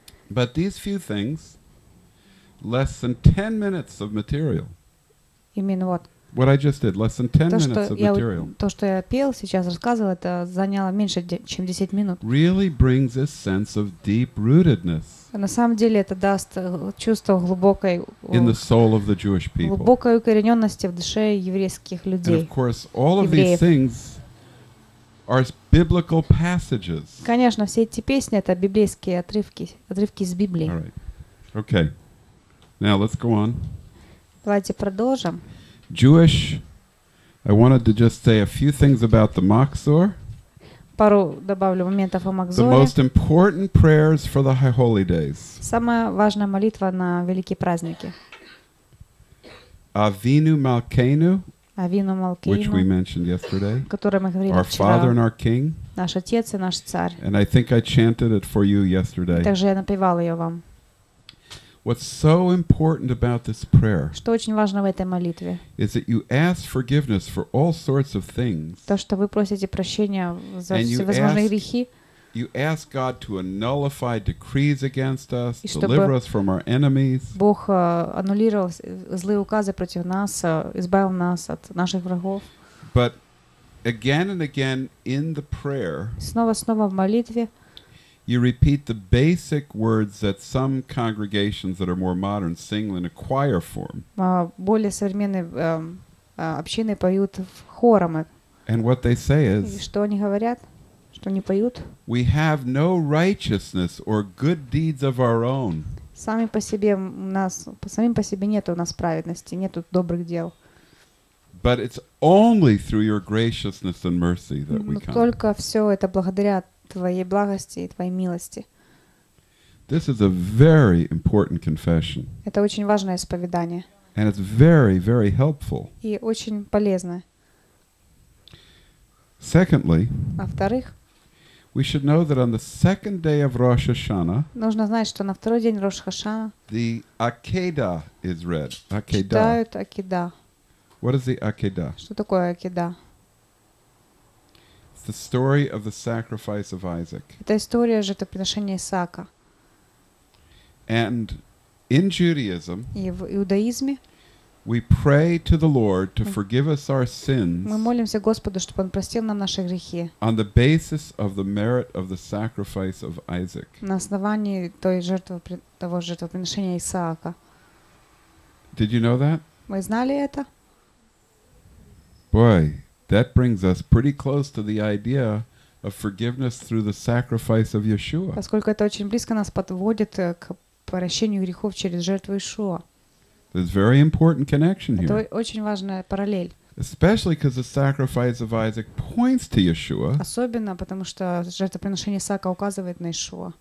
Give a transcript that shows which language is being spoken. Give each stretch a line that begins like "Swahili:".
English: But these few things, less than 10 minutes of material. You mean what? What I just did, less than 10 minutes of material.
Russian: То, что я пел, сейчас рассказывал, это заняло меньше, чем 10 минут.
English: Really brings this sense of deep-rootedness.
Russian: На самом деле это даст чувство глубокой
English: in the soul of the Jewish people.
Russian: Глубокой укорененности в душе еврейских людей.
English: And of course, all of these things are biblical passages.
Russian: Конечно, все эти песни это библейские отрывки, отрывки из Библии.
English: All right. Okay. Now let's go on.
Russian: Давайте продолжим.
English: Jewish. I wanted to just say a few things about the Machzor.
Russian: Пару добавлю моментов о Махзоре.
English: The most important prayers for the High Holy Days.
Russian: Самая важная молитва на великие праздники.
English: Avinu Malkeinu. Avinu Malkeinu, which we mentioned yesterday, our
Russian: вчера,
English: Father and our King,
Russian: наш отец и наш царь.
English: And I think I chanted it for you yesterday.
Russian: Также я напевал ее вам.
English: What's so important about this prayer?
Russian: Что очень важно в этой молитве?
English: Is that you ask forgiveness for all sorts of things?
Russian: То, что вы просите прощения за всевозможные грехи.
English: You ask God to annullify decrees against us, deliver us from our enemies.
Russian: Бог аннулировал злые указы против нас, избавил нас от наших врагов.
English: But again and again in the prayer,
Russian: снова в молитве,
English: you repeat the basic words that some congregations that are more modern sing in a choir form.
Russian: Более современные общины поют в хором.
English: And what they say is,
Russian: что они говорят? Что они поют?
English: We have no righteousness or good deeds of our own.
Russian: Сами по себе нет у нас праведности, нет добрых дел.
English: But it's only through your graciousness and mercy that we come.
Russian: Только все это благодаря твоей благости и твоей милости.
English: This is a very important confession.
Russian: Это очень важное исповедание.
English: And it's very, very helpful.
Russian: И очень полезное.
English: Secondly,
Russian: во-вторых,
English: we should know that on the second day of Rosh Hashanah,
Russian: нужно знать, что на второй день Рош Хашана,
English: the Akedah is read.
Russian: Читают Акеда.
English: What is the Akedah?
Russian: Что такое Акеда?
English: It's the story of the sacrifice of Isaac.
Russian: Это история жертвоприношения Исаака.
English: And in Judaism,
Russian: и в иудаизме,
English: we pray to the Lord to forgive us our sins.
Russian: Мы молимся Господу, чтобы он простил нам наши грехи.
English: On the basis of the merit of the sacrifice of Isaac.
Russian: На основании той жертвы того жертвоприношения Исаака.
English: Did you know that?
Russian: Вы знали это?
English: Boy, that brings us pretty close to the idea of forgiveness through the sacrifice of Yeshua.
Russian: Поскольку это очень близко нас подводит к прощению грехов через жертву Иешуа.
English: There's a very important connection here.
Russian: Это очень важная параллель.
English: Especially because the sacrifice of Isaac points to Yeshua.
Russian: Особенно потому что жертвоприношение Исаака указывает на Иешуа.